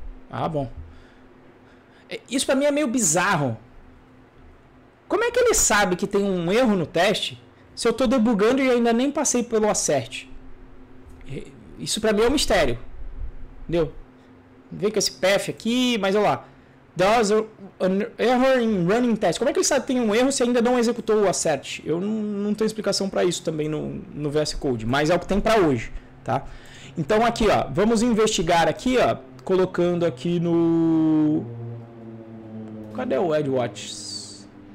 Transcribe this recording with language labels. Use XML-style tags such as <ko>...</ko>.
<pt>Ah, bom. Isso para mim é meio bizarro. Como é que ele sabe que tem um erro no teste se eu tô debugando e ainda nem passei pelo assert? Isso para mim é um mistério. Entendeu? Vem com esse path aqui, mas olha lá.</pt> <en>There's an error in running test.</en> <pt>Como é que ele sabe que tem um erro se ainda não executou o assert? Eu não tenho explicação para isso também no VS Code, mas é o que tem para hoje, tá? Então aqui, ó, vamos investigar aqui, ó, colocando aqui no. Cadê o AdWords?</pt>